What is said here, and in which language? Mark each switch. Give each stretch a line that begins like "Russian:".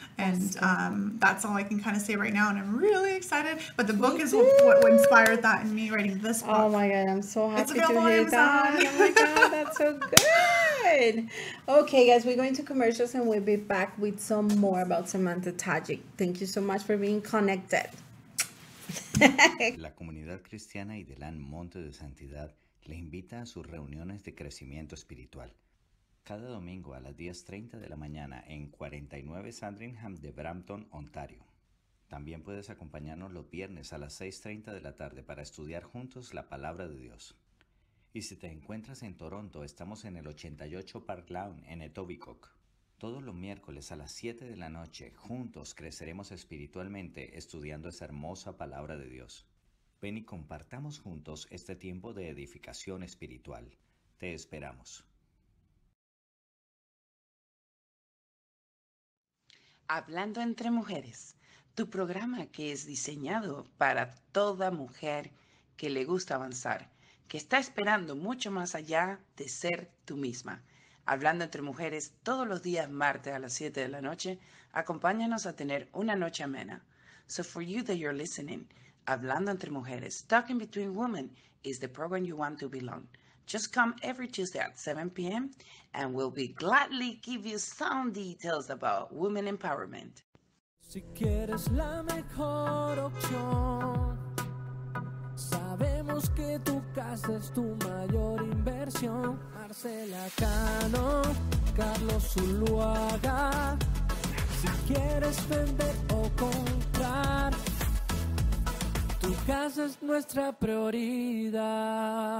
English: And that's all I can kind of say right now. And I'm really excited. But the book is what inspired that in me writing this book. Oh, my God. I'm so happy to hear that. Oh, my God. That's so good. Okay, guys. We're going to commercials and we'll be back with some more about Samantha Tajik. Thank you so much for being connected.
Spanish: La comunidad cristiana y del Monte de Santidad le invita a sus reuniones de crecimiento espiritual. Cada domingo a las 10:30 de la mañana en 49 Sandringham de Brampton, Ontario. También puedes acompañarnos los viernes a las 6:30 de la tarde para estudiar juntos la Palabra de Dios. Y si te encuentras en Toronto, estamos en el 88 Park Lawn en Etobicoke. Todos los miércoles a las 7 de la noche, juntos creceremos espiritualmente estudiando esa hermosa Palabra de Dios. Ven y compartamos juntos este tiempo de edificación espiritual. Te esperamos. Hablando entre mujeres, tu programa que es diseñado para toda mujer humana. que le gusta avanzar, que está esperando mucho más allá de ser tú misma. Hablando entre mujeres todos los días martes a las 7 de la noche, acompáñanos a tener una noche amena.
English: So for you that you're listening, Hablando entre mujeres, Talking Between Women is the program you want to belong. Just come every Tuesday at 7 p.m. and we'll be gladly give you some details about women empowerment.
Spanish: Si quieres la mejor opción, sabemos que tu casa es tu mayor inversión. Marcela Cano, Carlos Zuluaga. Si quieres vender o comprar, tu casa es nuestra prioridad.